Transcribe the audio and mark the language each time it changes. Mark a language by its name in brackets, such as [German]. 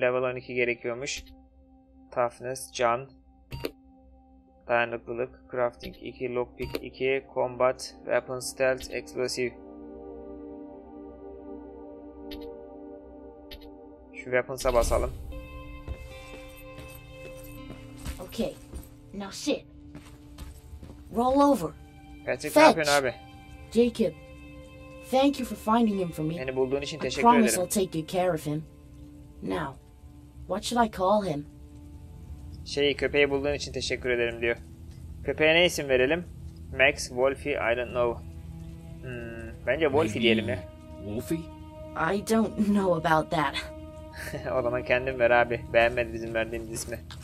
[Turkish] Level 12 gerekiyormuş. Toughness, can, dayanıklılık, crafting 2, lockpick 2, combat, weapon, stealth, explosive. Şu weapons'a basalım. [English] Okay, now sit. Roll over. [Turkish] Patrick, [English] fetch. [Turkish] Ne yapıyorsun abi? [English] Jacob, thank you for finding him for me. [Turkish] Beni bulduğun için teşekkür ederim. [English] I promise [Turkish] ederim. [English] I'll take good care of him. Now, what should I call him? [Turkish] Şey, köpeği bulduğun için teşekkür ederim diyor. Köpeğe ne isim verelim? Max, Wolfie, [English] I don't know. [Turkish] Bence Wolfie diyelim ya. [English] Wolfie? I don't know about that. [Turkish] O zaman kendin ver abi. Beğenmedi bizim verdiğimiz ismi.